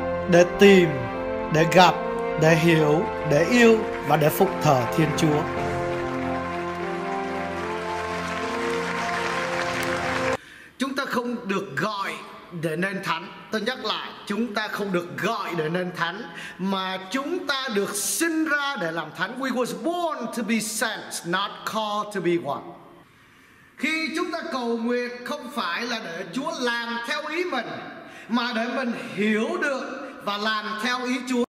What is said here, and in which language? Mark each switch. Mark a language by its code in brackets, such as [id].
[vi] Để tìm, để gặp, để hiểu, để yêu và để phụng thờ Thiên Chúa. Chúng ta không được gọi để nên thánh. Tôi nhắc lại, chúng ta không được gọi để nên thánh, mà chúng ta được sinh ra để làm thánh. [en] We was born to be saints, not called to be one. [vi] Khi chúng ta cầu nguyện không phải là để Chúa làm theo ý mình, mà để mình hiểu được và làm theo ý Chúa.